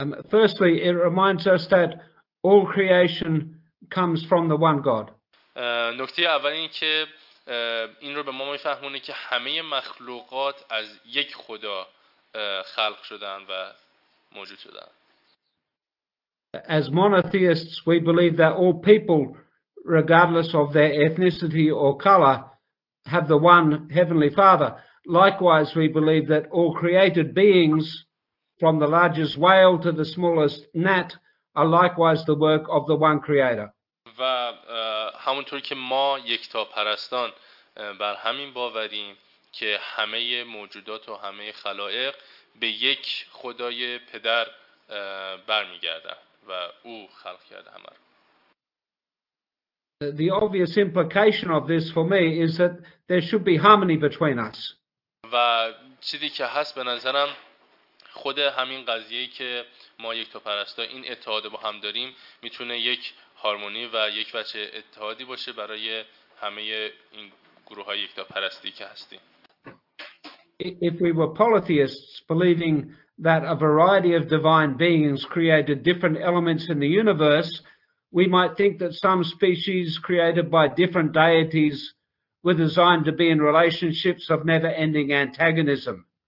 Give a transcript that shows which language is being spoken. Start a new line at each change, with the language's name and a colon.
English: Firstly, it reminds us that all creation comes from the one God.
Persian: نکته اول این که این رو به ما می‌فهمونه که همه مخلوقات از یک خدا خلق شدن و موجود شدن.
English: As monotheists, we believe that all people, regardless of their ethnicity or color, have the one heavenly Father. Likewise, we believe that all created beings, from the largest whale to the smallest gnat, are likewise the work of the one creator.
Persian: و همونطور که ما یکتا پرستان بر همین باوریم که همه موجودات و همه خلائق به یک خدای پدر برمیگرده و او خلق کرده همه رو.
English: The obvious implication of this for me is that there should be harmony between us.
Persian: و چیزی که هست به نظرم خود همین قضیه که ما یک تو پرستا این اتحاد با هم داریم میتونه یک هارمونی و یک وجه اتحادی باشه برای همه این گروه های یک تو پرستی که هستیم.
English: If we were polytheists believing that a variety of divine beings created different elements in the universe, we might think that some species created by different deities were designed to be in relationships of never-ending antagonism.